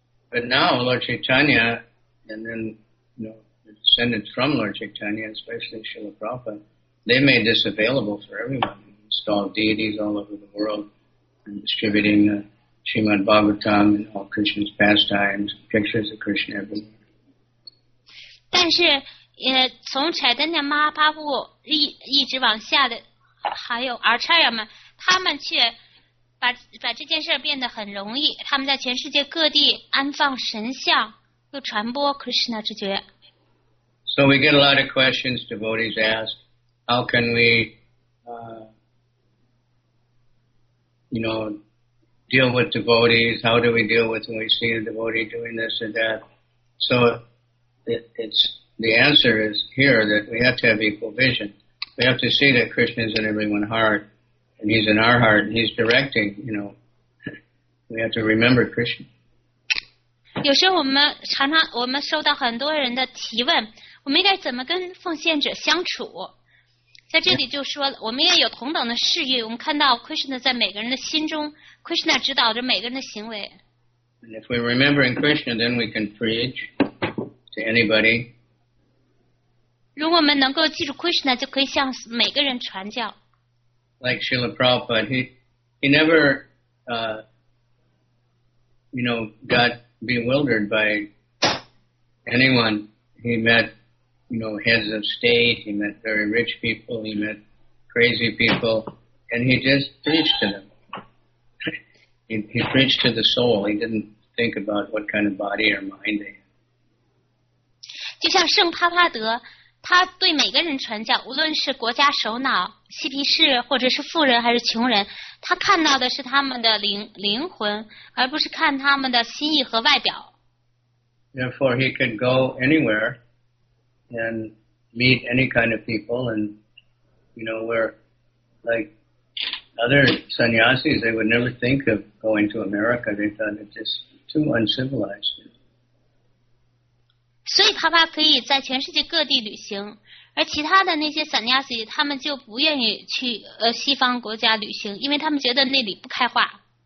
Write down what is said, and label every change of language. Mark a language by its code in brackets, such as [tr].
[en] But now Lord Chaitanya and then, you know, the descendants from Lord Chaitanya, especially Srila Prabhupada, they made this available for everyone. Installed deities all over the world and distributing Srimad Bhagavatam and all Krishna's pastimes, pictures of Krishna everywhere. [zh] 但是从柴丹尼玛巴布一直往下的还有阿查亚们，他们却把这件事变得很容易，他们在全世界各地安放神像，又传播 Krishna 之觉。 [en] So we get a lot of questions devotees ask, how can we you know, deal with devotees, how do we deal with when we see a devotee doing this or that? So it's the answer is here that we have to have equal vision. We have to see that Krishna is in everyone's heart, and he's in our heart, and he's directing, you know. We have to remember Krishna. [zh] 有时候我们收到很多人的提问，我们应该怎么跟奉献者相处？在这里就说了，我们也有同等的事业，我们看到 Krishna 在每个人的心中， Krishna 指导着每个人的行为。 [en] And if we're remembering Krishna, then we can preach to anybody. [zh] 如果我们能够记住 Krishna, 就可以向每个人传教。 [en] Like Srila Prabhupada, he never, you know, got bewildered by anyone he met you know, heads of state. He met very rich people. He met crazy people. And he just preached to them. He preached to the soul. He didn't think about what kind of body or mind they had. [zh] 就像圣帕帕德，他对每个人传教，无论是国家首脑、嬉皮士，或者是富人还是穷人，他看到的是他们的灵魂，而不是看他们的心意和外表。 [en] Therefore, he could go anywhere and meet any kind of people, and you know, where like other sannyasis, they would never think of going to America. They thought it's just too uncivilized. [zh] 所以帕帕可以在全世界各地旅行，而其他的那些sannyasi，他们就不愿意去西方国家旅行，因为他们觉得那里不开化。